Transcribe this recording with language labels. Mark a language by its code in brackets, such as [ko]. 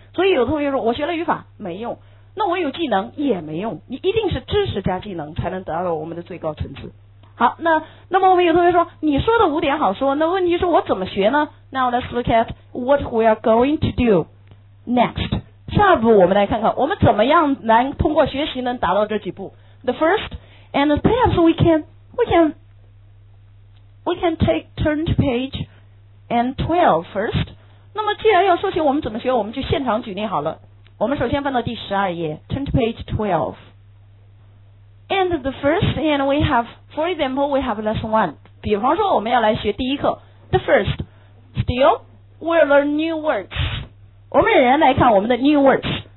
[zh] 所以有同学说，我学了语法没用，那我有技能也没用，你一定是知识加技能才能得到我们的最高层次。好，那么我们有同学说，你说的五点好说，那问题是我怎么学呢？ [en] Now let's look at what we are going to do next。 [zh] 下一步我们来看看我们怎么样能通过学习能达到这几步。 [en] The first and perhaps we can take turn to page and 12 first。 [zh] 那么既然要说起我们怎么学，我们就现场举例好了。我们首先翻到第12页， [en] turn to page 12。And the first and we have for example we have lesson 1， [zh] 比方说我们要来学第一课。 [en] The first still we learn new words， [zh] 我们仍然来看我们的 [en] new words。